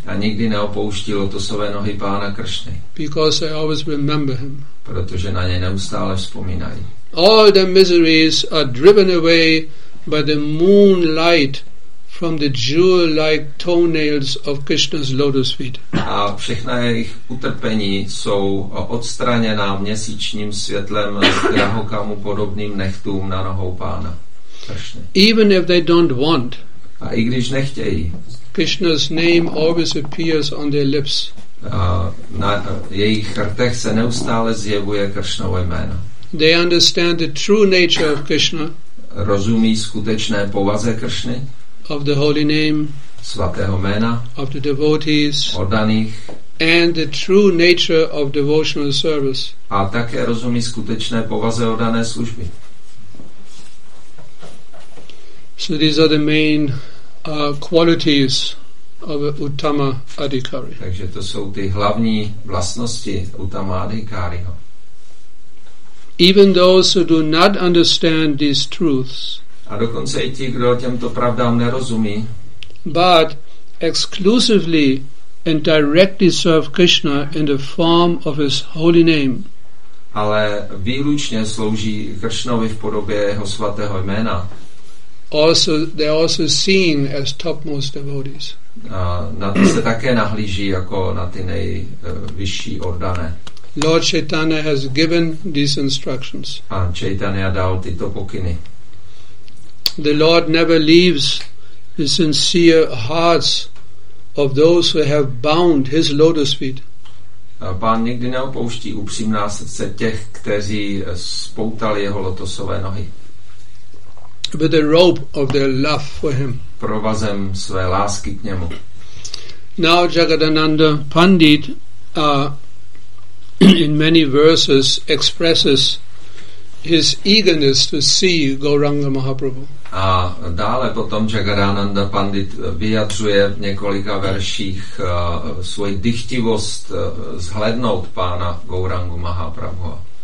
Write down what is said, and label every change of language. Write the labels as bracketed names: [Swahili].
[Czech] A nikdy neopouští lotosové nohy pána Kršny. [English] Because they always remember him. [Czech] Protože na něj neustále vzpomínají. [English] All their miseries are driven away by the moonlight from the jewel-like toenails of Krishna's lotus feet. [Czech] A všechna jejich utrpení jsou odstraněná měsíčním světlem z drahokamu podobným nechtům na nohou pána. [English] Even if they don't want, [Czech] a i když nechtějí, [English] Krishna's name always appears on their lips. [Czech] Na jejich rtech se neustále zjevuje Krishnovo jméno. [English] They understand the true nature of Krishna. [Czech] Rozumí skutečné povaze Krishny. [English] Of the holy name. [Czech] Svatého jména. [English] Of the devotees. [Czech] Oddaných. [English] And the true nature of devotional service. [Czech] A také rozumí skutečné povaze oddané služby. [English] So these are the main qualities of a uttama adhikari. [Czech] Takže to jsou ty hlavní vlastnosti uttama adhikariho. [English] Even those who do not understand these truths. [Czech] A dokonce i ti, kdo těmto pravdám nerozumí. [English] But exclusively and directly serve Krishna in the form of his holy name. [Czech] Ale výlučně slouží Krishnovi v podobě jeho svatého jména. [English] Also, they are also seen as topmost devotees. [Czech] A na to se také nahlíží jako na ty nejvyšší oddané. [English] Lord Chaitanya has given these instructions. [Czech] A Chaitanya dal tyto pokyny. [English] The Lord never leaves the sincere hearts of those who have bound his lotus feet. [Czech] A pán nikdy neopouští upřímná srdce těch, kteří spoutali jeho lotosové nohy. [English] With the rope of their love for him. [Czech] Provazem své lásky k němu. [English] Now Jagadananda Pandit in many verses expresses his eagerness to see Gauranga Mahaprabhu. [Czech] A dále potom Jagadananda Pandit vyjadřuje v několika verších svoji dychtivost zhlednout pána Gaurangu Mahaprabhu.